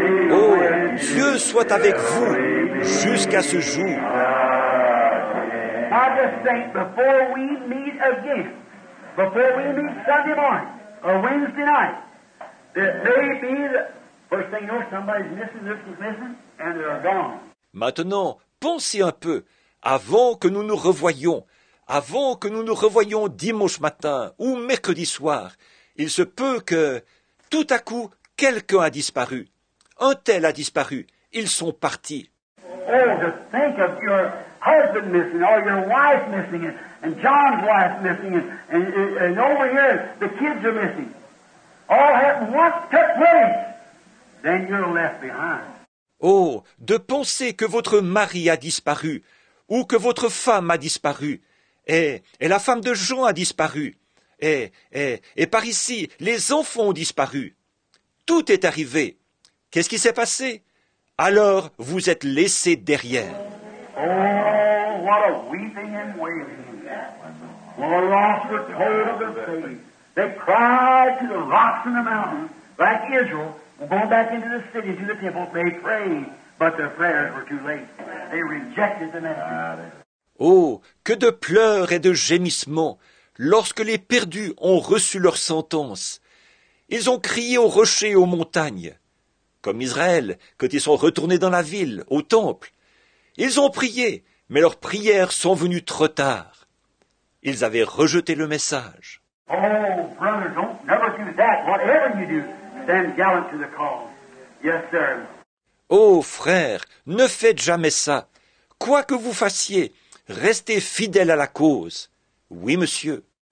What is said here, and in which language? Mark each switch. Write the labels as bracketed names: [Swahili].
[French] Oh, Dieu soit avec vous jusqu'à ce jour. [English] I just think before we meet again, before we meet Sunday morning or Wednesday night, that may be the first thing you know, somebody's missing, this is missing, and they're gone. [French] Maintenant, pensez un peu avant que nous nous revoyions. Avant que nous nous revoyions dimanche matin ou mercredi soir, il se peut que, tout à coup, quelqu'un a disparu. Un tel a disparu. Ils sont partis. [English] Oh, to think of your husband missing, or your wife missing, and John's wife missing, and over here, the kids are missing. All happened once, took place. Then you're left behind. [French] Oh, de penser que votre mari a disparu, ou que votre femme a disparu, Et la femme de Jean a disparu. Et par ici, les enfants ont disparu. Tout est arrivé. Qu'est-ce qui s'est passé? Alors, vous êtes laissés derrière. [English] Oh, what a weeping and wailing. When the lost were told of the faith, they cried to the rocks and the mountains, like Israel, going back into the city, to the temple, they prayed, but their prayers were too late. They rejected the message. [French] Oh, que de pleurs et de gémissements lorsque les perdus ont reçu leur sentence. Ils ont crié aux rochers et aux montagnes, comme Israël, quand ils sont retournés dans la ville, au temple. Ils ont prié, mais leurs prières sont venues trop tard. Ils avaient rejeté le message. [English] Oh, brother, don't never do that. Whatever you do, stand gallant to the call. Yes, sir. [French] Oh, frère, ne faites jamais ça. Quoi que vous fassiez, restez fidèle à la cause. Oui, monsieur.